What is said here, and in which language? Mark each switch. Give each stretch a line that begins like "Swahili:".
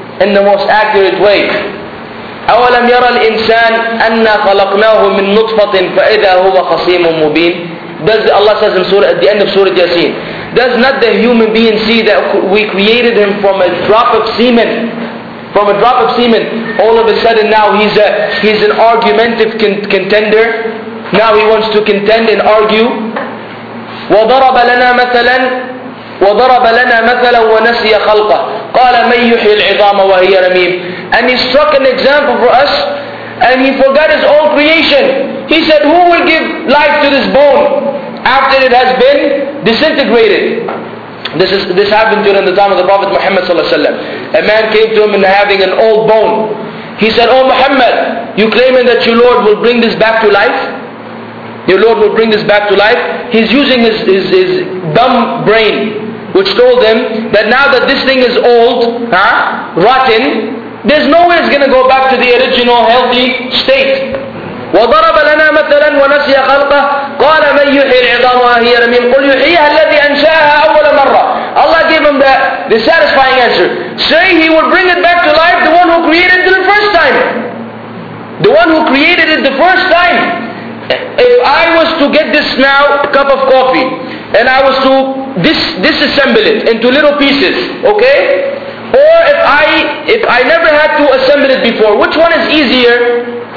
English: In the most accurate way.
Arabic: أَوَلَمْ يَرَى الْإِنسَانِ أَنَّا خَلَقْنَاهُ مِن نُطْفَةٍ فَإِذَا هُوَ خَصِيمٌ مُبِينٌ
English: Does Allah says in surah, at the end of Surah Yasin, does not the human being see that we created him from a drop of semen? From a drop of semen. All of a sudden now he's an argumentative contender. Now he wants to contend and argue.
Arabic: وَضَرَبَ لَنَا مَثَلًا وَضَرَبَ لَنَا مَثَلًا وَنَسِيَ خَلْقَهُ قَالَ مَنْ يُحْيِي الْعِظَامَ وَهِيَ رَمِيمٌ
English: And he struck an example for us, and he forgot his own creation. He said, who will give life to this bone after it has been disintegrated? This happened during the time of the Prophet Muhammad sallallahu alaihi wasallam. A man came to him and having an old bone. He said, oh Muhammad, you claiming that your Lord will bring this back to life? Your Lord will bring this back to life. He's using his dumb brain, which told him that now that this thing is old, rotten, there's no way it's going to go back to the original healthy state.
Arabic: وَضَرَبَ لَنَا مَثَلًا وَنَسِيَ خَلْقَهُ قَالَ مَنْ يُحْيِي الْعِظَامَ وَهِيَ رَمِيمٌ قُلْ يُحْيِيهَا الَّذِي أَنْشَأَهَا أَوَّلَ مَرَّةٍ
English: Allah gave him the satisfying answer. Say he will bring it back to life, the one who created it the first time. The one who created it the first time. If I was to get this now, cup of coffee, and I was to disassemble it into little pieces, okay? Or if I never had to assemble it before, which one is easier?